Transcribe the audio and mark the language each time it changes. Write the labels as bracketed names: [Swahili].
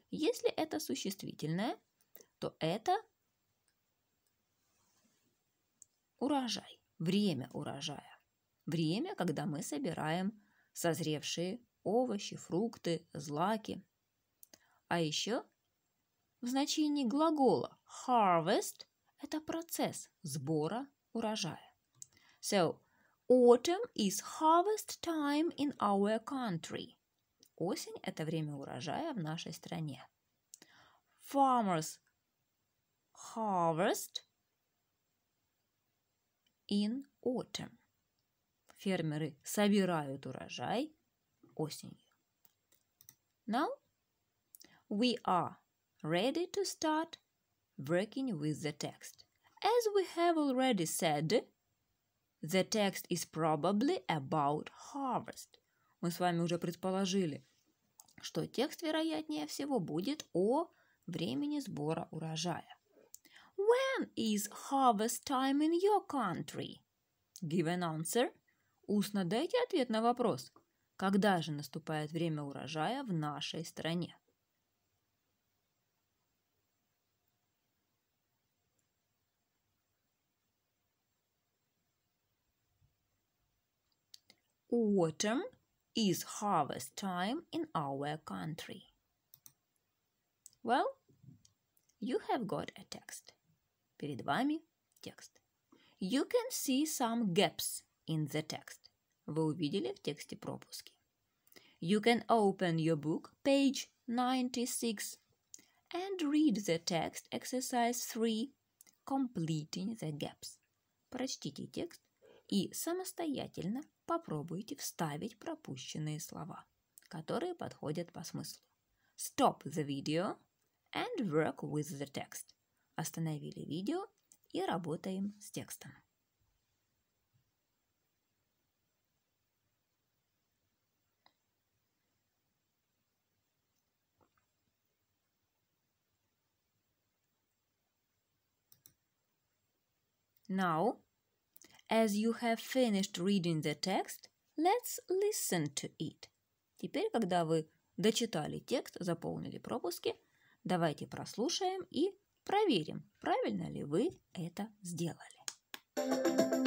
[Russian] Если это существительное, то это урожай, время урожая. Время, когда мы собираем созревшие овощи, фрукты, злаки. А еще в значении глагола harvest – это процесс сбора урожая. [English] So, autumn is harvest time in our country. [Russian] Осень – это время урожая в нашей стране. [English] Farmers harvest in autumn. [Russian] Фермеры собирают урожай осенью. [English] Now, we are ready to start working with the text. As we have already said, the text is probably about harvest. [Russian] Мы с вами уже предположили, что текст, вероятнее всего, будет о времени сбора урожая. [English] When is harvest time in your country? Give an answer. [Russian] Устно дайте ответ на вопрос. Когда же наступает время урожая в нашей стране? [English] Autumn is harvest time in our country. Well, you have got a text. [Russian] Перед вами текст. [English] You can see some gaps in the text. [Russian] Вы увидели в тексте пропуски. [English] You can open your book, page 96, and read the text, exercise 3, completing the gaps. [Russian] Прочтите текст и самостоятельно попробуйте вставить пропущенные слова, которые подходят по смыслу. [English] Stop the video and work with the text. [Russian] Остановили видео и работаем с текстом. [English] Now, as you have finished reading the text, let's listen to it. [Russian] Теперь, когда вы дочитали текст, заполнили пропуски, давайте прослушаем и проверим, правильно ли вы это сделали.